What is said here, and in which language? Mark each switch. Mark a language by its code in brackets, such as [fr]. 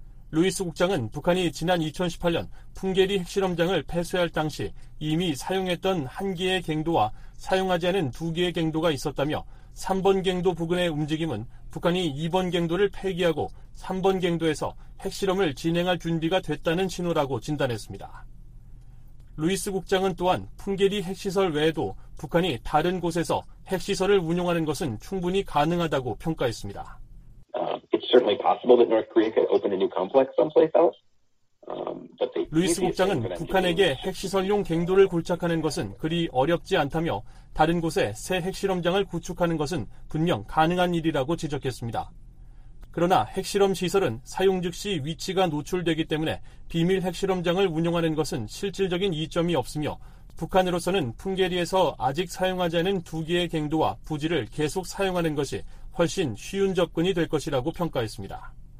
[ko] 루이스 국장은 북한이 지난 2018년 풍계리 핵실험장을 폐쇄할 당시 이미 사용했던 한 개의 갱도와 사용하지 않은 두 개의 갱도가 있었다며 3번 갱도 부근의 움직임은 북한이 2번 갱도를 폐기하고 3번 갱도에서 핵실험을 진행할 준비가 됐다는 신호라고 진단했습니다. 루이스 국장은 또한 풍계리 핵시설 외에도 북한이 다른 곳에서 핵시설을 운용하는 것은 충분히 가능하다고 평가했습니다. [en] It's certainly possible that North Korea could open a new complex someplace else. [ko] 루이스 국장은 북한에게 핵시설용 갱도를 굴착하는 것은 그리 어렵지 않다며 다른 곳에 새 핵실험장을 구축하는 것은 분명 가능한 일이라고 지적했습니다. 그러나 핵실험 시설은 사용 즉시 위치가 노출되기 때문에 비밀 핵실험장을 운영하는 것은 실질적인 이점이 없으며 북한으로서는 풍계리에서 아직 사용하지 않은 두 개의 갱도와 부지를 계속 사용하는 것이 훨씬 쉬운 접근이 될 것이라고 평가했습니다.